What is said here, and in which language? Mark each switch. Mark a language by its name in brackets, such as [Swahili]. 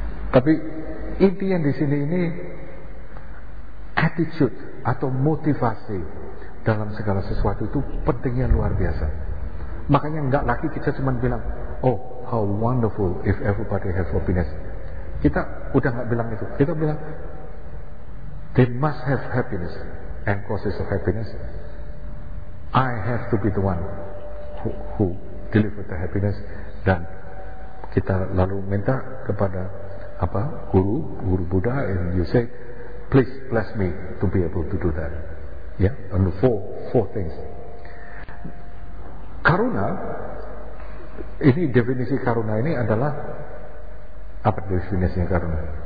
[Indonesian] Tapi inti yang di sini ini attitude atau motivasi dalam segala sesuatu itu pentingnya luar biasa. Makanya enggak lagi kita cuma bilang, [English] oh how wonderful if everybody have happiness. [Indonesian] Kita udah enggak bilang itu. Kita bilang [English] they must have happiness and causes of happiness. I have to be the one who deliver the happiness. [Indonesian] Dan kita lalu minta kepada apa guru Buddha, [English] and you say, please bless me to be able to do that. Yeah, and four things. [Indonesian] Karuna, ini definisi karuna ini adalah apa definisinya karuna?